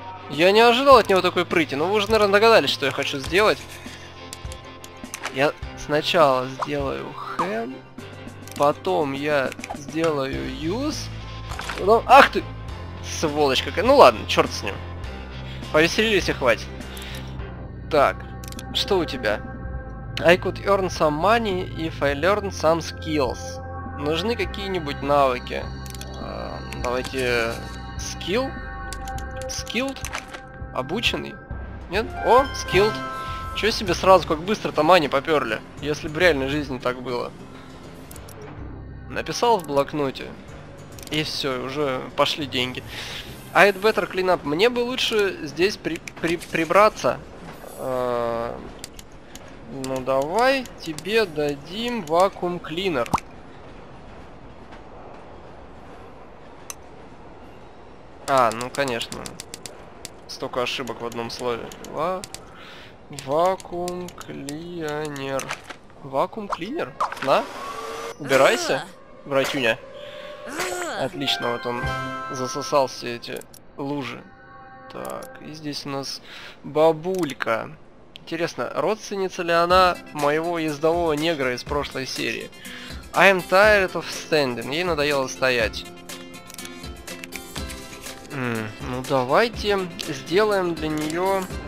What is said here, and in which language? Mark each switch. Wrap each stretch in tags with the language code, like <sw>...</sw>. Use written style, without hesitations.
<ru>Я не ожидал от него такой прыти. Но вы уже, наверное, догадались, что я хочу сделать. Я сначала сделаю хэм. Потом я сделаю юз. Потом... Ах ты! Сволочь какая. Ну ладно, черт с ним. Повеселились и хватит. Так, что у тебя?</ru> <en>I could earn some money if I learn some skills.</en> <ru>Нужны какие-нибудь навыки. Давайте skill. Skilled. Обученный. Нет? О, skilled. Чё себе сразу, как быстро-то money попёрли. Если бы в реальной жизни так было. Написал в блокноте. И все, уже пошли деньги.</ru> <en>I'd better clean up.</en> <ru>Мне бы лучше здесь прибраться. Ну давай тебе дадим вакуум клинер. А, ну конечно. Столько ошибок в одном слове. Вакуум клинер. Вакуум клинер? На? Убирайся, братюня. Отлично, вот он засосал все эти лужи. Так, и здесь у нас бабулька. Интересно, родственница ли она моего ездового негра из прошлой серии?</ru> <en>I'm tired of standing.</en> <ru>Ей надоело стоять. Ну давайте сделаем для нее...</ru>